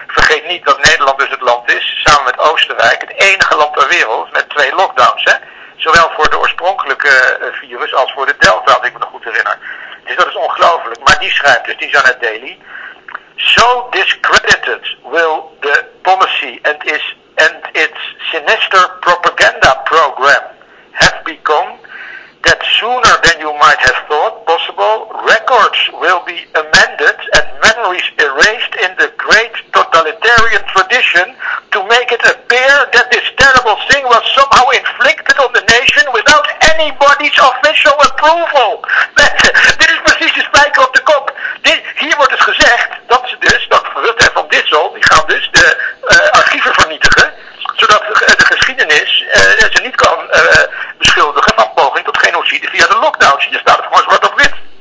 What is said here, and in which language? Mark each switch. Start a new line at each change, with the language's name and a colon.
Dutch: Vergeet niet dat Nederland dus het land is, samen met Oostenrijk, het enige land ter wereld met 2 lockdowns, hè? Zowel voor de oorspronkelijke virus als voor de Delta, als ik me nog goed herinner. Dus dat is ongelooflijk, maar die schrijft dus, die Jeanette Daly,
English: so discredited will the policy and its sinister propaganda program have become that sooner than you might have thought possible, records will be amended and memories erased in the great totalitarian tradition to make it appear that this terrible thing was somehow inflicted on the nation without anybody's official approval.
Dutch: Dit is precies de spijker op de kop. Hier wordt dus gezegd dat ze dus, dat Rutte en Van Dissel, die gaan dus de archieven vernietigen, zodat de geschiedenis ze niet kan beschuldigen van poging tot genocide via de lockdowns. Hier staat het gewoon zwart op wit.